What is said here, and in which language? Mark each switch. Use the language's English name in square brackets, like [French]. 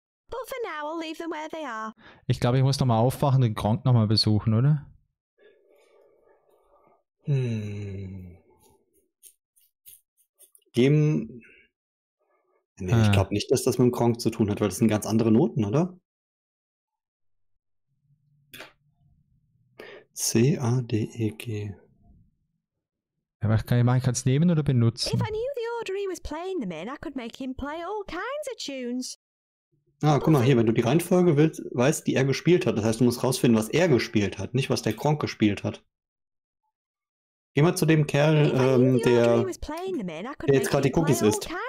[English] But for now, I'll leave them where they are. [German] Ich glaube, ich muss nochmal aufwachen und den Gronkh nochmal besuchen, oder? Dem. Nee, ich glaube nicht, dass das mit dem Gronkh zu tun hat, weil das sind ganz andere Noten, oder? C-A-D-E-G. Ja, ich kann ich machen? Ich kann es nehmen oder benutzen? [English] If I knew the order he was playing them in, I could make him play all kinds of tunes. [German] Ah, guck mal hier, wenn du die Reihenfolge willst, weißt, die er gespielt hat. Das heißt, du musst rausfinden, was er gespielt hat, nicht was der Gronkh gespielt hat. Geh mal zu dem Kerl, der jetzt gerade die Cookies isst.